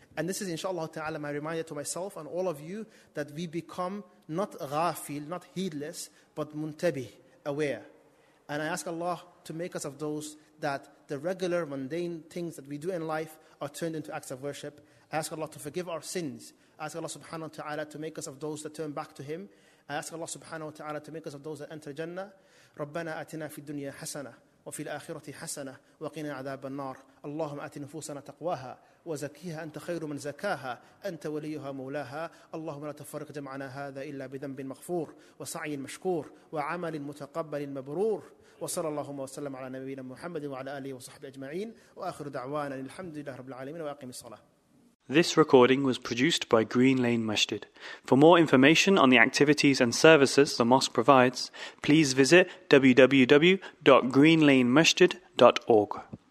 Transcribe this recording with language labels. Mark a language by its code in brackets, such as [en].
[en] And this is, inshallah ta'ala, my reminder to myself and all of you, that we become not ghafil, not heedless, but muntabih, aware. And I ask Allah to make us of those that the regular, mundane things that we do in life are turned into acts of worship. I ask Allah to forgive our sins. I ask Allah subhanahu wa ta'ala to make us of those that turn back to Him. I ask Allah subhanahu wa ta'ala to make us of those that enter Jannah. [ar] رَبَّنَا أَتِنَا فِي الدُّنْيَا حَسَنَةً وَفِي الْآخِرَةِ حَسَنَةً وَقِنَا عَذَابَ النَّارِ اللهم أَتِ نُفُوسَنَا تَقْوَاهَا وَزَكِيهَا أَنْتَ خَيْرُ مَنْ زَكَاهَا أَنْتَ وَلِيُّهَا مَوْلَاهَا اللهم لا تفرق جمعنا هذا إلا بذنب مغفور وسعي مشكور وعمل متقبل مبرور وصلى الله وسلم على نبينا محمد وعلى آله وصحبه أجمعين وآخر دعوانا الحمد لله رب العالمين وأقم الصلاة. [en] This recording was produced by Green Lane Masjid. For more information on the activities and services the mosque provides, please visit www.greenlanemasjid.org.